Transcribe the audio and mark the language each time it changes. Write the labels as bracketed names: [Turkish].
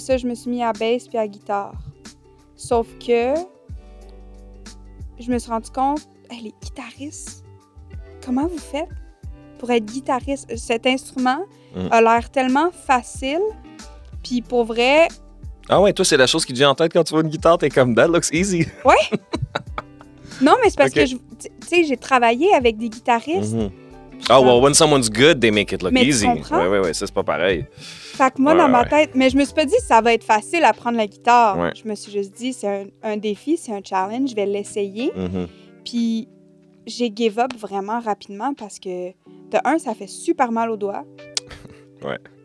[French] ça, je me suis mis à basse puis à guitare. Sauf que je me suis rendu compte, hey, les guitaristes, comment vous faites pour être guitariste? Cet instrument a l'air tellement facile, puis pour vrai... Ah ouais, toi, c'est la chose qui te vient en tête quand tu vois une guitare, t'es comme « [English] that looks easy ». [French] Oui! Non, mais c'est parce que, tu sais, j'ai travaillé avec des guitaristes. [English] Oh, well, when someone's good, they make it look easy. [French] Oui, oui, oui, ça, c'est pas pareil. Fait que moi, dans ma tête, mais je me suis pas dit que ça va être facile à prendre la guitare. Ouais. Je me suis juste dit, c'est un défi, c'est un challenge, je vais l'essayer. Mm-hmm. Puis j'ai [English] give up [French] vraiment rapidement parce que, de un, ça fait super mal aux doigts. Ouais.